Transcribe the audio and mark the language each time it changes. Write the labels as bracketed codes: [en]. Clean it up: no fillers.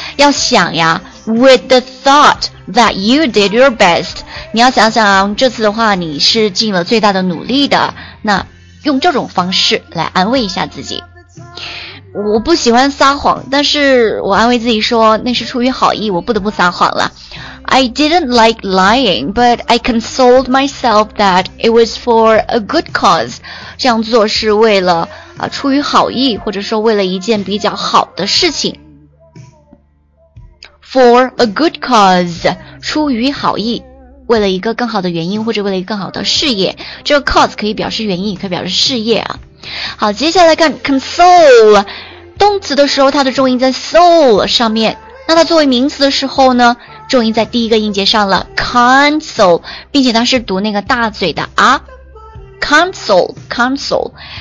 [zh] 要想呀， [en] With the thought that you did your best， [zh] 你要想想这次的话你是尽了最大的努力的，那用这种方式来安慰一下自己。我不喜欢撒谎，但是我安慰自己说那是出于好意，我不得不撒谎了。 [en] I didn't like lying, but I consoled myself that it was for a good cause. [zh] 这样做是为了出于好意，或者说为了一件比较好的事情。 [en] For a good cause, [zh] 出于好意，为了一个更好的原因，或者为了一个更好的事业。这个 cause 可以表示原因，也可以表示事业啊。好，接下来看 console， 动词的时候它的重音在 soul 上面，那它作为名词的时候呢，重音在第一个音节上了 console， 并且它是读那个大嘴的啊 console。